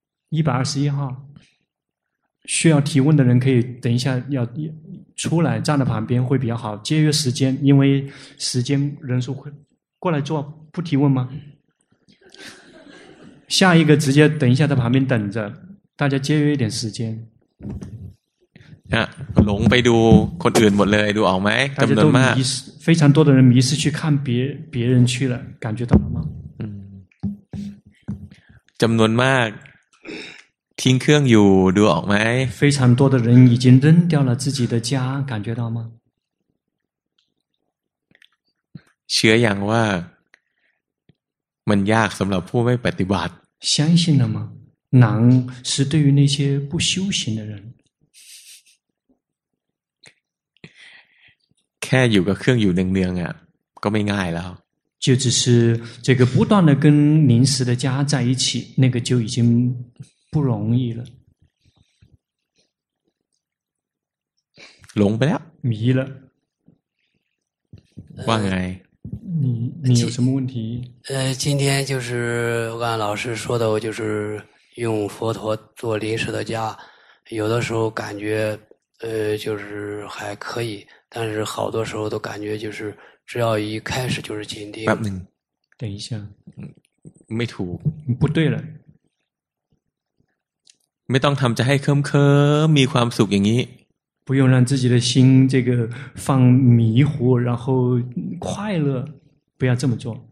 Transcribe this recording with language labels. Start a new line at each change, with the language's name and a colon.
Chinese: 121号需要提问的人可以等一下要出来站在旁边会比较好节约时间因为时间人数会过来做不提问吗下一个直接等一下在旁边等着大家节约一点时间
Thai: หลงไปดูคนอื่นหมดเลยดูออกไหมจำนวนมาก
Chinese: 非常多的人迷失去看 别人去了感觉到了吗
Thai: จำนวนมากทิ้งเครื่องอยู่ดูออกไหม
Chinese: 非常多的人已经扔掉了自己的家感觉到吗
Thai: เชื่ออย่างว่ามันยากสำหรับผู้ไม่ปฏิบัติ
Chinese: 相信了吗难是对于那些不修行的人
Thai: แค่อยู่กับเครื่องอยู่เนืองๆอ่ะก็ไม่ง่ายแล้ว
Chinese: 就只是这个不断的跟临时的家在一起那个就已经不容易了
Thai: หลงไปแล้ว
Chinese: 迷了
Thai: ว่าไง
Chinese: 你有什么问题今天就是我刚才老师说的我就是用佛陀做临时的家有的时候感觉就是还可以但是好多时候都感觉就是只要一开始就是紧盯
Thai: แป๊บนึง
Chinese: 等一下
Thai: ไม่ถูก
Chinese: 不对了
Thai: ไม่ต้องทำจะให้เคิ้มๆมีความสุขอย่างนี้
Chinese: 不用让自己的心这个放迷糊然后快乐不要这么做